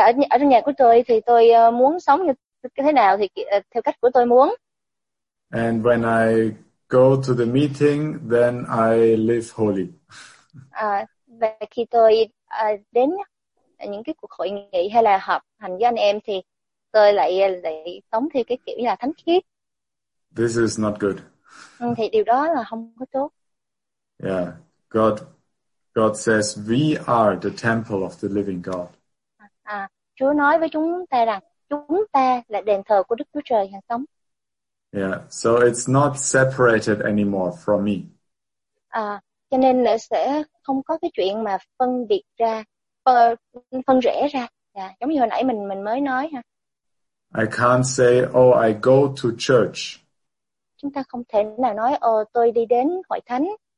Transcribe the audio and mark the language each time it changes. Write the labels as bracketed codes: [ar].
[vi] Ở nhà của tôi thì tôi muốn sống như thế nào thì theo cách của tôi muốn. [en] And when I go to the meeting, then I live holy. [vi] Và khi tôi đến những cái cuộc hội nghị hay là họp hành với anh em thì tôi lại sống theo cái kiểu như là thánh khiết. [en] This is not good. [vi] Thì điều đó là không có tốt. [en] Yeah, God says we are the temple of the living God. [vi] Chúa nói với chúng ta rằng chúng ta là đền thờ của Đức Chúa Trời hàng sống. [en] Yeah, so it's not separated anymore from me. [vi] Cho nên là sẽ không có cái chuyện mà phân biệt ra, phân rẽ ra. Yeah, giống như hồi nãy mình mới nói ha. [en] I can't say, oh, I go to church. [vi] Chúng ta không thể nào nói, oh, tôi đi đến hội thánh.